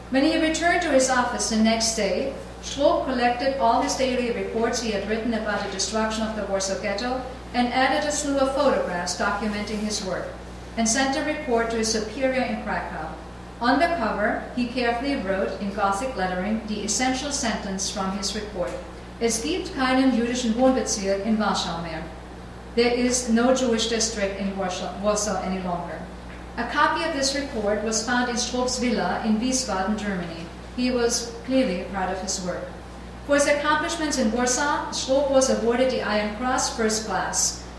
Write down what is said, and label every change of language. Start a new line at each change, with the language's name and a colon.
English: When he returned to his office the next day, Strohl collected all his daily reports he had written about the destruction of the Warsaw Ghetto and added a slew of photographs documenting his work and sent a report to his superior in Krakow. On the cover, he carefully wrote in Gothic lettering the essential sentence from his report.
German: Es gibt keinen jüdischen Wohnbezirk in Warschau mehr.
English: There is no Jewish district in Warsaw any longer. A copy of this report was found in Strohl's villa in Wiesbaden, Germany. He was clearly proud of his work. For his accomplishments in Warsaw, Strohl was awarded the Iron Cross First Class.